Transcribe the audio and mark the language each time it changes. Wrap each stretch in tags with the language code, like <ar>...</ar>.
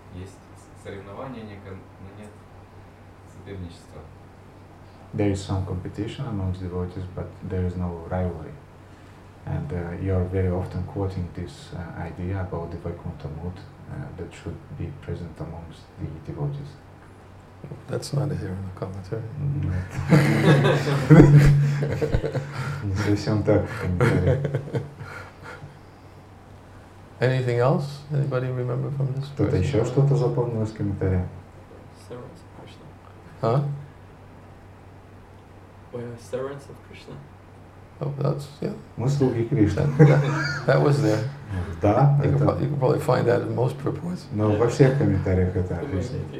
<ru>Есть соревнования некое, но нет соперничества.</ru> <en>There is some competition amongst devotees, but there is no rivalry. And you are very often quoting this idea about the Vaikuntha mood that should be present amongst the devotees. That's not here in the commentary.</en> <ru>Не совсем так.</ru> <en>Anything else? Anybody remember from this?</en> <ru>Кто-то еще что-то запомнил из комментария?</ru> <en>Servants of Krishna. Huh? We are servants of Krishna. Oh, that's, yeah.</en> <ru>Мы слуги Кришны.</ru> <en>That was there.</en> <ru>Да, это...</ru> <en>You can probably find that in most purports.</en> <ru>Но во всех комментариях это описано.</ru>